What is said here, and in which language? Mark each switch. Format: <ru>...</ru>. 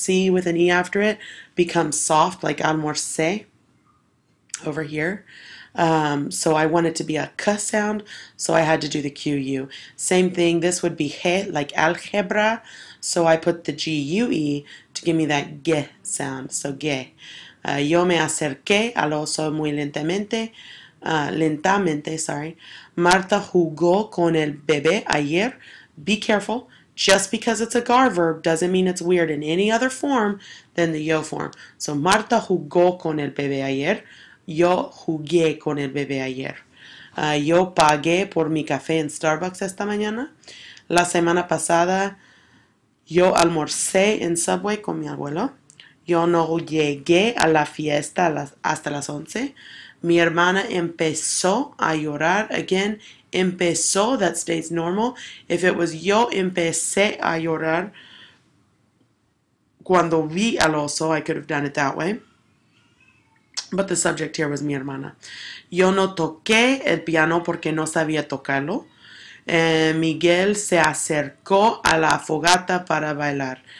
<en>C with an E after it becomes soft like almorce over here. So I want it to be a k sound, so I had to do the QU. Same thing, this would be he, like algebra, so I put the GUE to give me that g sound, so g.</en> <es>Yo me acerqué al oso muy lentamente, lentamente. Marta jugó con el bebé ayer.</es> <en>Be careful, just because it's a gar verb doesn't mean it's weird in any other form than the yo form.</en> <es>So Marta jugó con el bebé ayer. Yo jugué con el bebé ayer. Yo pagué por mi café en Starbucks esta mañana. La semana pasada, yo almorcé en Subway con mi abuelo. Yo no llegué a la fiesta hasta las 11. Mi hermana empezó a llorar. Again, empezó,</es> <en>that stays normal. If it was</en> <es>yo empecé a llorar cuando vi al oso,</es> <en>I could have done it that way. But the subject here was</en> <es>mi hermana. Yo no toqué el piano porque no sabía tocarlo. Miguel se acercó a la fogata para bailar.</es>